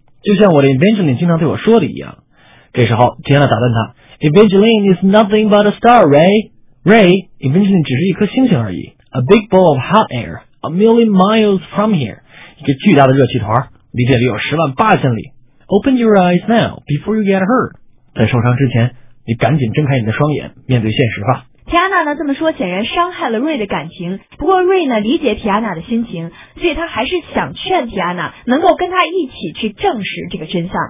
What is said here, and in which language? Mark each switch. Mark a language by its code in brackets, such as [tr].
[zh] 就像我的 Evangeline 经常对我说的一样。这时候 Tiana 打断他 [en] Evangeline is nothing but a star, Ray. Ray, Evangeline [zh] 只是一颗星星而已。 [en] A big ball of hot air, a million miles from here. [zh] 一个巨大的热气团，离这里有十万八千里。 [en] Open your eyes now, before you get hurt. [zh] 在受伤之前，你赶紧睁开你的双眼，面对现实吧。提安娜呢这么说，显然伤害了瑞的感情。不过瑞呢理解提安娜的心情，所以他还是想劝提安娜能够跟他一起去证实这个真相。